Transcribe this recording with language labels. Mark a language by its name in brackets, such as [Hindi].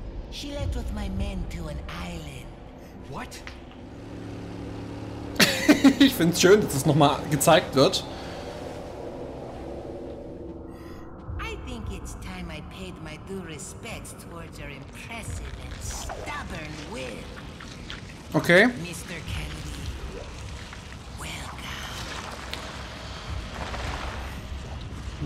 [English] She left with my men to an island. What? [German] Ich find's schön, dass das nochmal gezeigt wird. [English] I think it's time I paid my due respects towards your impressive and stubborn will. Okay. Mr. Kennedy, welcome.